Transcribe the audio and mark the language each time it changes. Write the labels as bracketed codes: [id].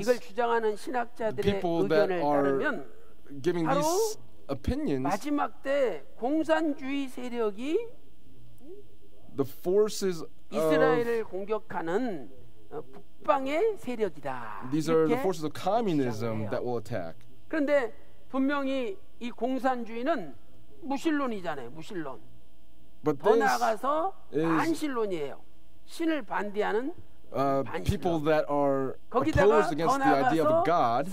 [ko] 이걸 주장하는 신학자들의 [en] people [ko] 의견을 따르면 바로 마지막 때 공산주의 세력이 [en] the forces [ko] 이스라엘을 공격하는 북방의 세력이다. [en] These are the forces of communism that will attack. [ko] 그런데 분명히 이 공산주의는 무신론이잖아요. 무신론. [en] But [ko] 더 나아가서 반신론이에요. 신을 반대하는 [en] people that are opposed against the idea of God.